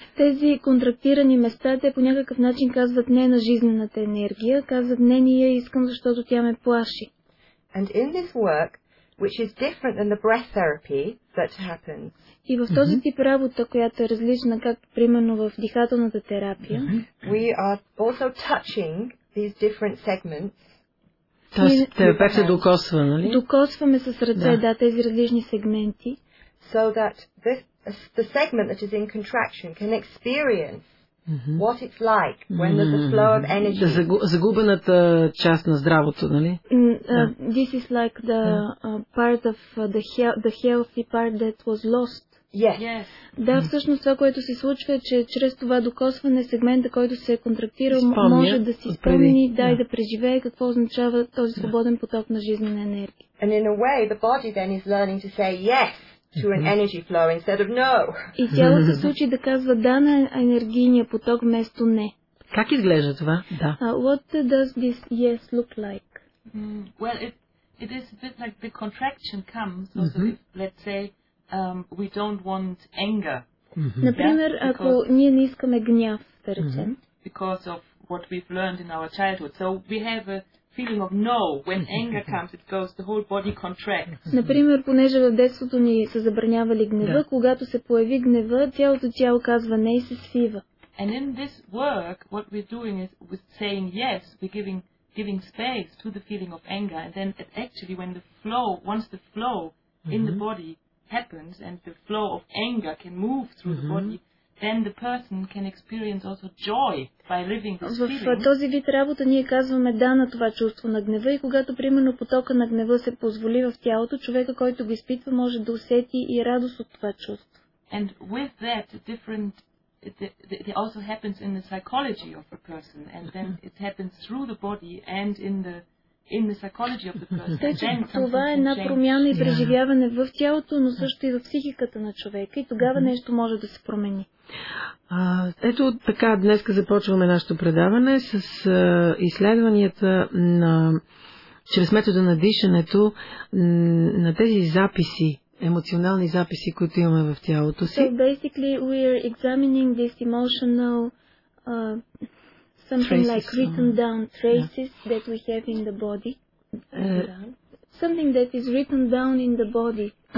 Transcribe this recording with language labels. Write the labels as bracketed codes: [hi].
[bg] Тези контрактирани места, те по някакъв начин казват не на жизнената енергия, казват не, не я искам, защото тя ме плаши. [en] And in this work, which is different than the breath therapy that happens. [bg] И в този тип работа, която е различна, както примерно в дихателната терапия, [en] we are also touching these different segments. [bg] Тоест, терапевта се докосва, нали? Докосваме с ръце, да, тези различни сегменти. [en] So that the segment that is in contraction can experience what it's like when there's a flow of energy. [bg] Да, загубената част на здравото, нали? [en] This is like the part of the healthy part that was lost. Yes. [bg] Да, всъщност това, което се случва, е, че чрез това докосване сегмента, който се е контрактирал, може да си спомни, да, и да преживее какво означава този свободен поток на жизнена енергия. [en] And in a way, the body then is learning to say yes to an energy flow instead of no. [bg] И тялото се случи да казва да на енергийния поток вместо не. Как изглежда това? Да. [en] What does this yes look like? Well, it is a bit like the contraction comes, so let's say, we don't want anger. [bg] Например, ако ние не искаме гняв, да речем. [en] Because of what we've learned in our childhood. So we have a feeling of no. When anger comes, it goes, the whole body contracts. [bg] Например, понеже в детството ни са забранявали гнева, когато се появи гнева, цялото тяло казва не и се свива. [en] And in this work, what we're doing is with saying yes, we're giving space to the feeling of anger. And then actually when the flow, once the flow in the body happens and the flow of anger can move through the body, then the person can experience also joy by living this feeling. [bg] В този вид работа ние казваме да на това чувство на гнева и когато примерно потока на гнева се позволи в тялото, човека, който го изпитва, може да усети и радост от това чувство. [en] And with that different it also happens in the psychology of a person and then it happens through the body and in the in the psychology of the person. [bg] Така, това е една промяна и преживяване в тялото, но също и в психиката на човека. И тогава нещо може да се промени. Ето така, днеска започваме нашето предаване с изследванията на чрез метода на дишането на тези записи, емоционални записи, които имаме в тялото си. [en] So basically we are examining this emotional something traces, like written down traces that we have in the body. Something that is written down in the body.